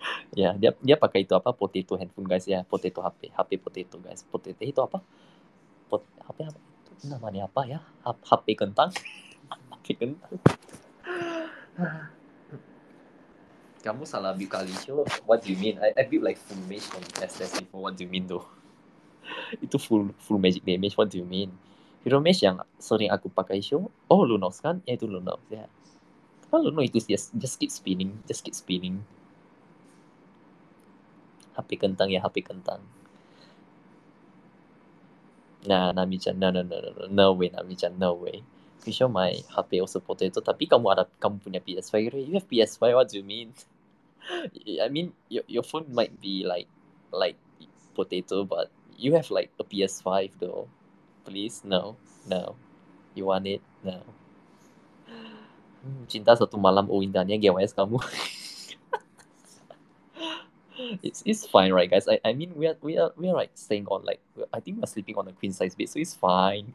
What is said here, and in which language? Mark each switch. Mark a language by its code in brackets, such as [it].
[id] Yeah, dia pakai itu apa? Potato handphone, guys, ya. Potato HP. HP potato, guys. Potato itu apa? HP apa? Namanya apa, ya? HP kentang? HP kentang. Kamu salah build kali, show. [en] What do you mean? I build like full mage on SS before. What do you mean, though? Itu full magic damage. What do you mean? [id] Hero Mesh yang sering aku pakai show. Oh, Lunox kan? Ya, itu Lunox, ya. Yeah. Kalau Lunox itu [en] just keep spinning. [id] HP kentang, ya, HP kentang. [en] Nah, Nami-chan, no way, Nami-chan, no way. You show my HP also potato, [id] tapi kamu punya [en] PS5, right? You have PS5, what do you mean? I mean, your phone might be like potato, but you have like a PS5, though. Please, no. You want it? No. [id] Cinta satu malam, oh indahnya GWS kamu. [en] it's fine, right, guys? I mean, we are like staying on, like, I think we're sleeping on a queen size bed, so it's fine.